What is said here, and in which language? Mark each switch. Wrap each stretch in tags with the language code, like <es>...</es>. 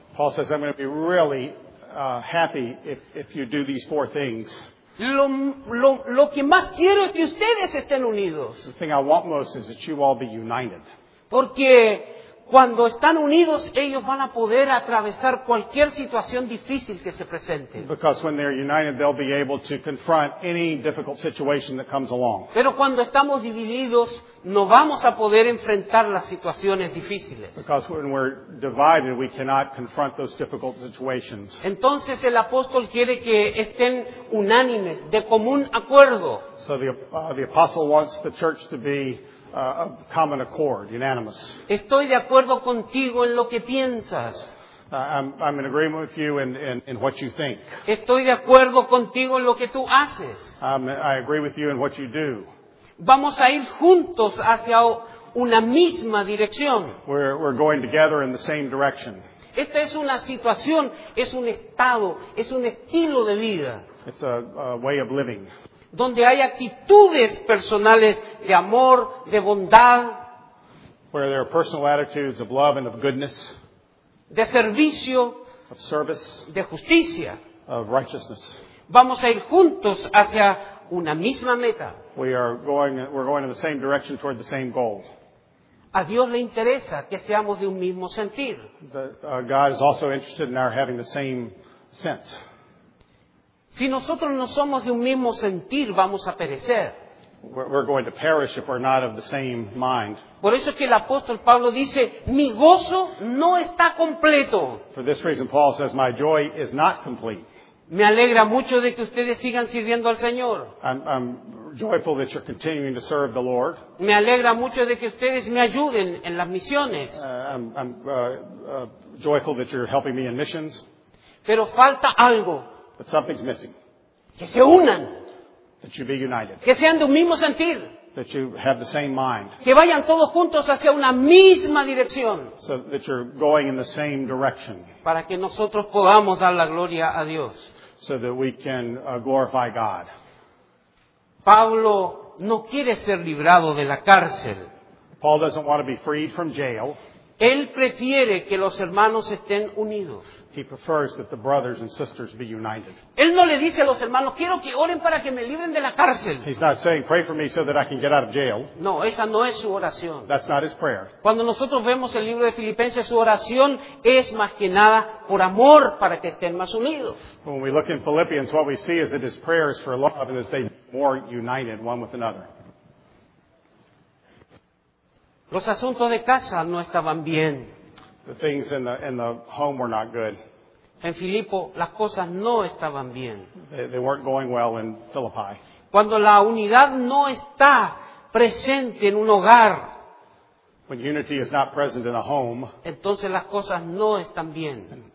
<en>Paul says, I'm going to be really happy if you do these four things.</en> <es>Lo que más quiero es que ustedes estén unidos.</es> <en>The thing I want most is that you all be united.</en> <es>Porque cuando están unidos, ellos van a poder atravesar cualquier situación difícil que se presente.</es> <en>Because when they're united, they'll be able to confront any difficult situation that comes along.</en> <es>Pero cuando estamos divididos, no vamos a poder enfrentar las situaciones difíciles.</es> <en>Because when we're divided, we cannot confront those difficult situations.</en> <es>Entonces el apóstol quiere que estén unánimes, de común acuerdo.</es> <en>So the apostle wants the church to be of common accord, unanimous.</en> <es>Estoy de acuerdo contigo en lo que piensas.</es> <en>I'm in agreement with you in what you think.</en> <es>Estoy de acuerdo contigo en lo que tú haces.</es> <en>I agree with you in what you do.</en> <es>Vamos a ir juntos hacia una misma dirección.</es> <en>We're going together in the same direction.</en> <es>Esta es una situación, es un estado, es un estilo de vida.</es> <en>It's a way of living.</en> <es>Donde hay actitudes personales de amor, de bondad,</es> <en>where there are personal attitudes of love and of goodness,</en> <es>de servicio,</es> <en>of service,</en> <es>de justicia,</es> <en>of righteousness.</en> <es>Vamos a ir juntos hacia una misma meta.</es> <en>We're going in the same direction toward the same goal.</en> <es>A Dios le interesa que seamos de un mismo sentir.</es> <en>God is also interested in our having the same sense.</en> <es>Si nosotros no somos de un mismo sentir, vamos a perecer.</es> <en>We're going to perish if we're not of the same mind.</en> <es>Por eso es que el apóstol Pablo dice, mi gozo no está completo.</es> <en>For this reason, Paul says, my joy is not complete.</en> <es>Me alegra mucho de que ustedes sigan sirviendo al Señor.</es> <en>I'm joyful that you're continuing to serve the Lord.</en> <es>Me alegra mucho de que ustedes me ayuden en las misiones.</es> <en>I'm joyful that you're helping me in missions.</en> <es>Pero falta algo.</es> <en>But something's missing.</en> <es>Que se unan.</es> <en>That you be united.</en> <es>Que sean de un mismo sentir.</es> <en>That you have the same mind.</en> <es>Que vayan todos juntos hacia una misma dirección.</es> <en>So that you're going in the same direction.</en> <es>Para que nosotros podamos dar la gloria a Dios.</es> <en>So that we can glorify God.</en> <es>Pablo no quiere ser librado de la cárcel.</es> <en>Paul doesn't want to be freed from jail.</en> <es>Él prefiere que los hermanos estén unidos.</es> <en>He prefers that the brothers and sisters be united.</en> <es>Él no le dice a los hermanos, quiero que oren para que me libren de la cárcel.</es> <en>He's not saying, pray for me so that I can get out of jail.</en> <es>No, esa no es su oración.</es> <en>That's not his prayer.</en> <es>Cuando nosotros vemos el libro de Filipenses, su oración es más que nada por amor, para que estén más unidos.</es> <en>When we look in Philippians, what we see is that his prayer is for love and that they be more united one with another.</en> <es>Los asuntos de casa no estaban bien.</es> <en>The things in the home were not good.</en> <es>En Filipo, las cosas no estaban bien.</es> <en>They weren't going well in Philippi.</en> <es>Cuando la unidad no está presente en un hogar,</es> <en>when unity is not present in a home,</en> <es>entonces las cosas no están bien.</es>